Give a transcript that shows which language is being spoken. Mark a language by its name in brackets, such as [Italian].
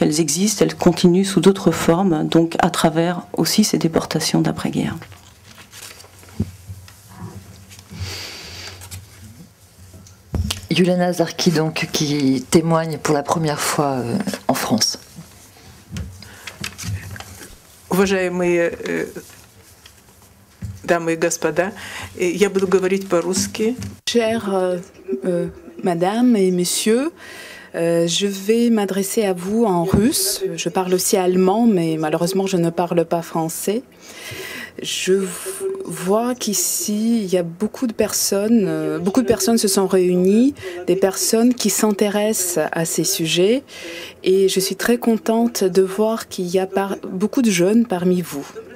[French] Elles existent, elles continuent sous d'autres formes, donc à travers aussi ces déportations d'après-guerre. Juliana Zarki, donc, qui témoigne pour la première fois en France. [Russian] Уважаемые дамы и господа, я буду говорить по-русски. [French] Chère madame et monsieur, je vais m'adresser à vous en russe. Je parle aussi allemand, mais malheureusement, je ne parle pas français. Je vois qu'ici, il y a beaucoup de personnes se sont réunies, des personnes qui s'intéressent à ces sujets, et je suis très contente de voir qu'il y a beaucoup de jeunes parmi vous.